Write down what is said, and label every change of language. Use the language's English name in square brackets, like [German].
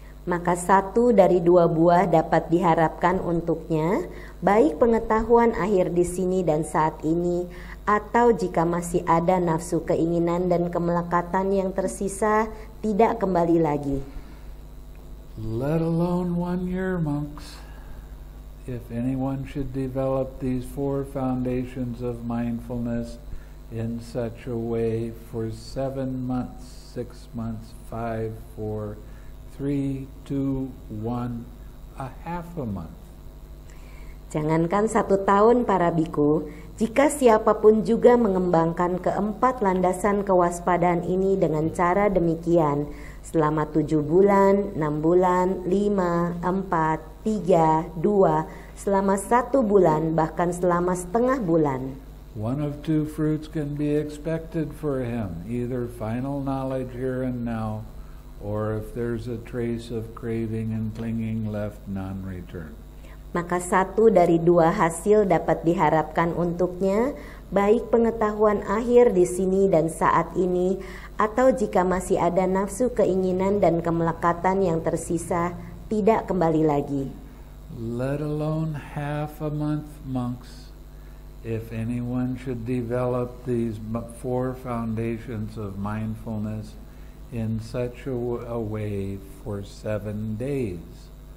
[Indonesian] Maka satu dari dua buah dapat diharapkan untuknya, baik pengetahuan akhir di sini dan saat ini, atau jika masih ada nafsu keinginan dan kemelekatan yang tersisa, tidak kembali lagi. [English] Let alone 1 year, monks. If anyone should develop these four foundations of mindfulness in such a way for 7 months, 6 months, 5, 4, 3, 2, 1, a half a month. [Indonesian] Jangankan satu tahun, para biku, jika siapapun juga mengembangkan keempat landasan kewaspadaan ini dengan cara demikian, selama 7 bulan, 6 bulan, 5, 4, 3, 2, selama 1 bulan, bahkan selama setengah bulan. [English] One of two fruits can be expected for him, either final knowledge here and now, or if there's a trace of craving and clinging left, non-return. [Indonesian] Maka satu dari dua hasil dapat diharapkan untuknya, baik pengetahuan akhir di sini dan saat ini, atau jika masih ada nafsu keinginan dan kemelekatan yang tersisa, tidak kembali lagi. [English] Let alone half a month, monks, if anyone should develop these 4 foundations of mindfulness in such a way for 7 days.